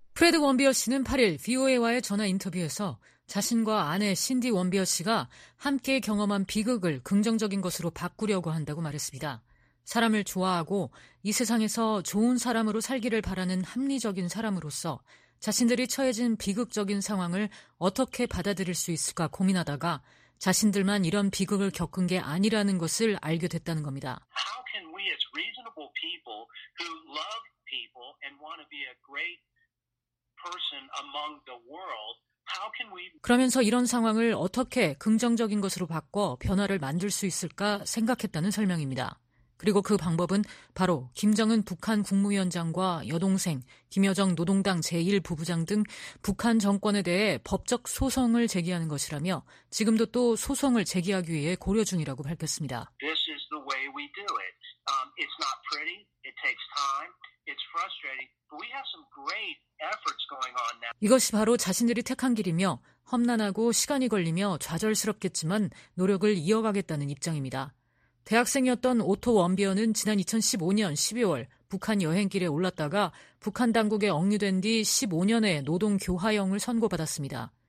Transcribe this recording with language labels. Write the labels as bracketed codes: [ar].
[ko] 프레드 원비어 씨는 8일 VOA와의 전화 인터뷰에서 자신과 아내 신디 원비어 씨가 함께 경험한 비극을 긍정적인 것으로 바꾸려고 한다고 말했습니다. 사람을 좋아하고 이 세상에서 좋은 사람으로 살기를 바라는 합리적인 사람으로서 자신들이 처해진 비극적인 상황을 어떻게 받아들일 수 있을까 고민하다가 자신들만 이런 비극을 겪은 게 아니라는 것을 알게 됐다는 겁니다. [en] How can we as reasonable people who love people and want to be a great person among the world [ko] 그러면서 이런 상황을 어떻게 긍정적인 것으로 바꿔 변화를 만들 수 있을까 생각했다는 설명입니다. 그리고 그 방법은 바로 김정은 북한 국무위원장과 여동생, 김여정 노동당 제1부부장 등 북한 정권에 대해 법적 소송을 제기하는 것이라며 지금도 또 소송을 제기하기 위해 고려 중이라고 밝혔습니다. [en] This is the way we do it. It's not pretty. It takes time. It's frustrating. But we have some great efforts going on now. [ko] 이것이 바로 자신들이 택한 길이며 험난하고 시간이 걸리며 좌절스럽겠지만 노력을 이어가겠다는 입장입니다. 대학생이었던 오토 원비어는 지난 2015년 12월 북한 여행길에 올랐다가 북한 당국에 억류된 뒤 15년의 노동 교화형을 선고받았습니다.